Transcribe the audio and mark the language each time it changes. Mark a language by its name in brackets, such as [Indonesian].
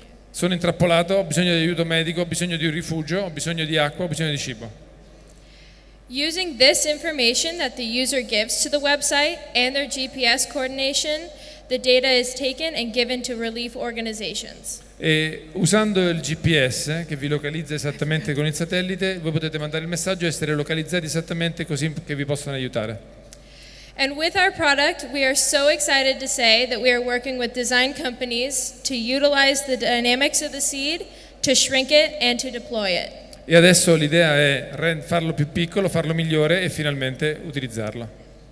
[Italian] Sono intrappolato, ho bisogno di aiuto medico, ho bisogno di un rifugio, ho bisogno di acqua, ho bisogno di cibo. [English] Using this information that the user gives to the website and their GPS coordination, the data is taken and given to relief organizations. [Italian] E usando il GPS, che vi localizza esattamente con il satellite, voi potete mandare il messaggio e essere localizzati esattamente così che vi possano aiutare. [English] And with our product, we are so excited to say that we are working with design companies to utilize the dynamics of the seed, to shrink it, and to deploy it. [Italian] E adesso l'idea è farlo più piccolo, farlo migliore e finalmente utilizzarlo.